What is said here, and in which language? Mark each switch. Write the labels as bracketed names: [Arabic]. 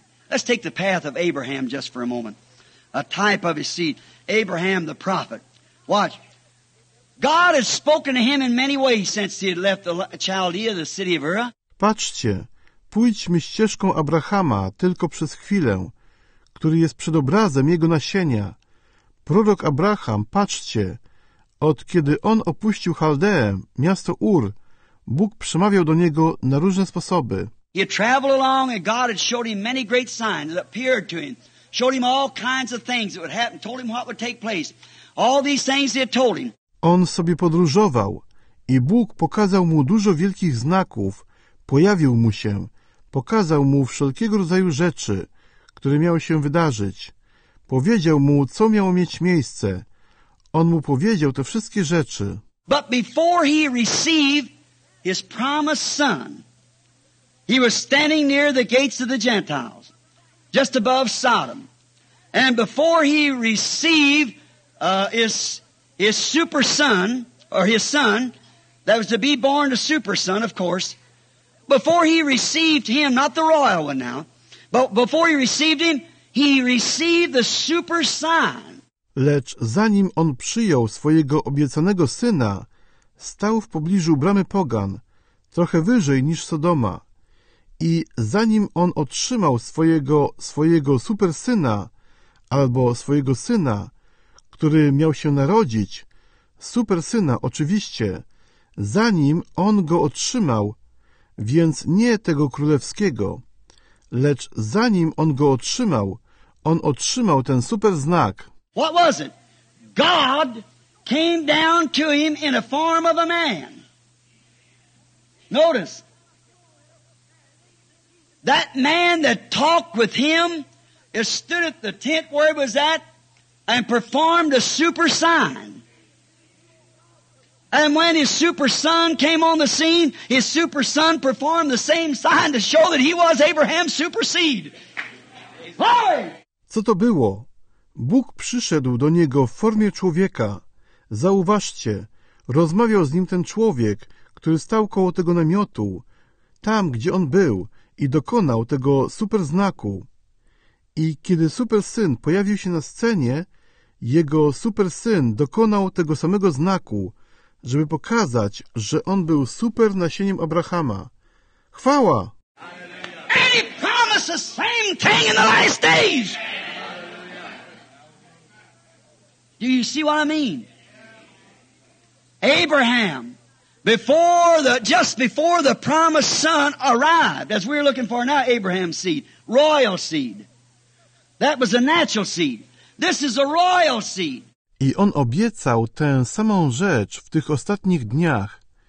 [English] Let's take the path of Abraham just for a moment. A type of his seed, Abraham the prophet. Watch. God has spoken to him in many ways since he had left the Chaldea, the city of Ur. [Polish] Patrzcie, pójdźmy ścieżką Abrahama tylko przez chwilę, który jest przedobrazem jego nasienia. Prorok Abraham, patrzcie, od kiedy on opuścił Chaldeę, miasto Ur, Bóg przemawiał do niego na różne sposoby. [English] He traveled along and God had showed him many great signs that appeared to him. Showed him all kinds of things that would happen, told him what would take place. All these things he had told him. [Polish] On sobie podróżował i Bóg pokazał mu dużo wielkich znaków, pojawił mu się, pokazał mu wszelkiego rodzaju rzeczy, które miały się wydarzyć. Powiedział mu, co miało mieć miejsce. On mu powiedział te wszystkie rzeczy. [English] But before he received his promised son, he was standing near the gates of the Gentiles, just above Sodom. And before he received his super son, or his son, that was to be born a super son, of course, before he received him, not the royal one now, but before he received him, he received the super sign. [Polish] Lecz zanim on przyjął swojego obiecanego syna, stał w pobliżu bramy pogan, trochę wyżej niż Sodoma. I zanim on otrzymał swojego super syna, albo swojego syna, który miał się narodzić, super syna oczywiście, zanim on go otrzymał, więc nie tego królewskiego, lecz zanim on go otrzymał, on otrzymał ten super znak. [English] What was it? God came down to him in a form of a man. Notice. That man that talked with him stood at the tent where he was at and performed a super sign. And when his super son came on the scene, his super son performed the same sign to show that he was Abraham's super seed. Hey! [Polish] Co to było? Bóg przyszedł do niego w formie człowieka. Zauważcie, rozmawiał z nim ten człowiek, który stał koło tego namiotu, tam, gdzie on był, i dokonał tego super znaku. I kiedy super syn pojawił się na scenie, jego super syn dokonał tego samego znaku, żeby pokazać, że on był super nasieniem Abrahama. Chwała! [English] And he promised the same thing in the last days. Do you see what I mean? Abraham, just before the promised son arrived, as we're looking for now, Abraham's seed, royal seed. That was a natural seed. This is a royal seed. [Polish] I on obiecał tę samą rzecz w tych ostatnich dniach.